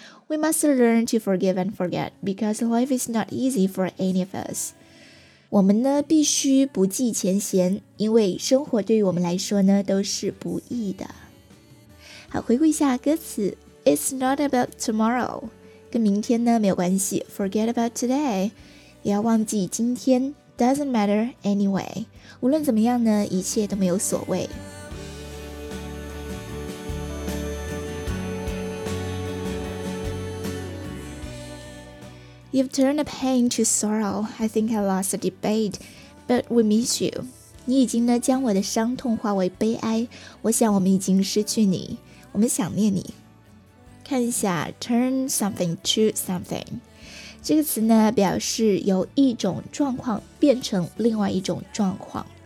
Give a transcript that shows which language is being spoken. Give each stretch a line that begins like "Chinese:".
English: We must learn to forgive and forget because life is not easy for any of us。
Chinese: 我们呢必须不计前嫌，因为生活对于我们来说呢都是不易的。好，回顾一下歌词，
English: It's not about tomorrow，
Chinese: 跟明天呢没有关系，
English: Forget about today，
Chinese: 也要忘记今天，
English: Doesn't matter anyway，
Chinese: 无论怎么样呢一切都没有所谓。
English: You've turned a pain to sorrow. I think I lost a debate, but we miss you.
Chinese: 你已经呢将我的伤痛化为悲哀。我想我们已经失去你，我们想念你。看一下 turn something to something 这个词呢，表示由一种状况变成另外一种状况。